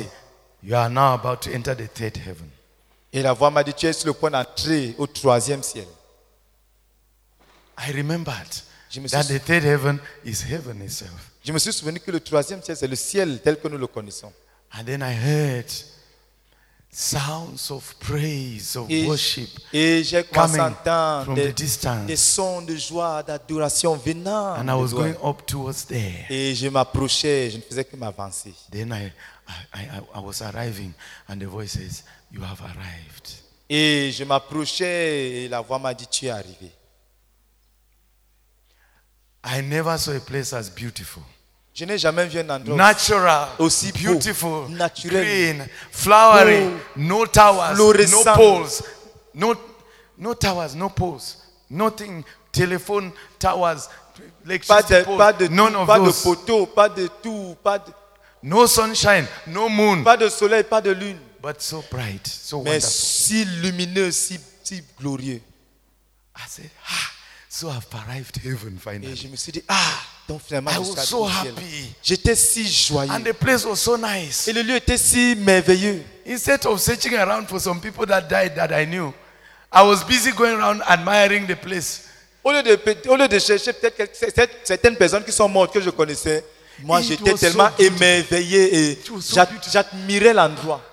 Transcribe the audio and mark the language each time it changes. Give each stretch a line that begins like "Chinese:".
English: Say, you are now about to enter the third heaven.
French: Et la voix m'a dit, tu es sur le point d'entrer au troisième ciel.
English: I remembered that the third heaven is heaven itself.
French: Je me suis souvenu que le troisième ciel, c'est le ciel tel que nous le connaissons.
English: And then I heard sounds of praise, of worship.
French: Et j'ai commencé à entendre des sons de joie, d'adoration venant.
English: And I was going up towards there.
French: Et je m'approchais, je ne faisais que m'avancer.
English: Then I was arriving, and the voice says, "You have arrived."
French: Et je m'approchais, et la voix m'a dit, "Tu es arrivé."
English: I never saw a place as beautiful.
French: Je n'ai jamais vu un endroit
English: natural,
French: aussi beau,
English: beautiful,
French: naturel,
English: green, flowery, no towers, no poles, no towers, no poles, nothing, telephone towers, electricity poles,
French: pas de,
English: none of
French: pas
English: those.
French: De poteau, pas de tout, pas de,
English: no sunshine, no moon.
French: Pas de soleil, pas de lune.
English: But so bright, so
French: mais
English: wonderful.
French: Si lumineux, si glorieux.
English: I said, ah, so I've arrived heaven finally.
French: Et je me suis dit, ah. Donc,
English: I was so happy.
French: J'étais si joyeux.
English: And the place was so nice.
French: Et le lieu était si merveilleux.
English: Instead of searching around for some people that died that I knew, I was busy going around admiring the place.
French: Au lieu de chercher peut-être certaines personnes qui sont mortes que je connaissais, moi j'étais tellement émerveillé et j'admirais l'endroit.